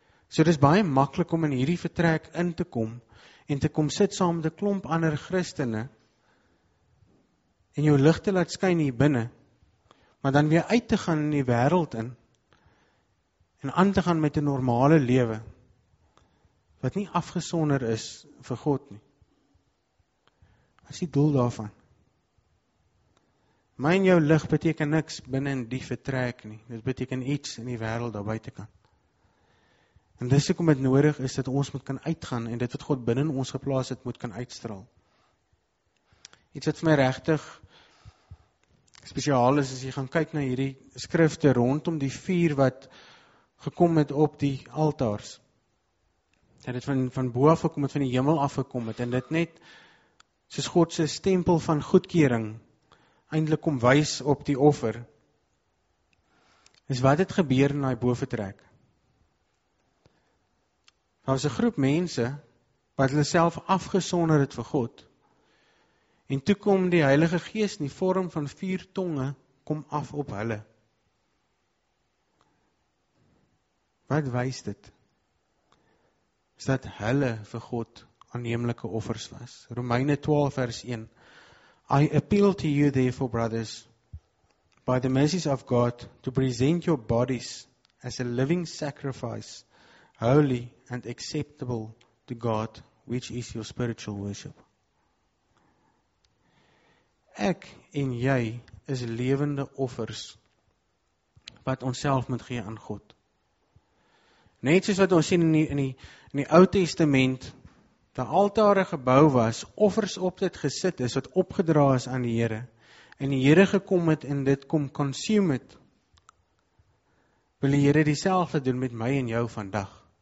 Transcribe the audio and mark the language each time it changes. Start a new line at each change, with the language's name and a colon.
Afrikaans: So dis baie maklik om in hierdie vertrek in te kom en te kom sit saam met 'n klomp ander Christene en jou lig te laat skyn hier binne, maar dan weer uit te gaan in die wêreld in en aan te gaan met 'n normale lewe wat nie afgesonder is vir God nie. Wat is die doel daarvan? My en jou lig beteken niks binne in die vertrek nie. Dit beteken iets in die wêreld daar buitekant. En dis hoekom dit nodig is dat ons moet kan uitgaan en dit wat God binne in ons geplaas het moet kan uitstraal. Iets wat vir my regtig spesiaal is as jy gaan kyk na hierdie skrifte rondom die vuur wat gekom het op die altaars. Dat het van bo af gekom het, van die hemel af gekom het, en dit net soos God se stempel van goedkeuring eindelik kom wys op die offer. Is wat het gebeur in daai bovertrek? Daar was 'n groep mense wat hulle self afgesonder het vir God. En toe kom die Heilige Gees in die vorm van vier tonge kom af op hulle. Wat wys dit? Is dat hulle vir God aanneemlike offers was. Romeine 12 vers 1.
English: I appeal to you therefore brothers, by the mercies of God, to present your bodies as a living sacrifice, holy and acceptable to God, which is your spiritual worship.
Afrikaans: Ek en jy is lewende offers, wat ons self moet gee aan God. Net soos wat ons sien in die Ou Testament, dat altare gebou was, offers op dit gesit is, wat opgedra is aan die Here, en die Here gekom het en dit kom consume het, wil die Here dieselfde doen met my en jou vandag.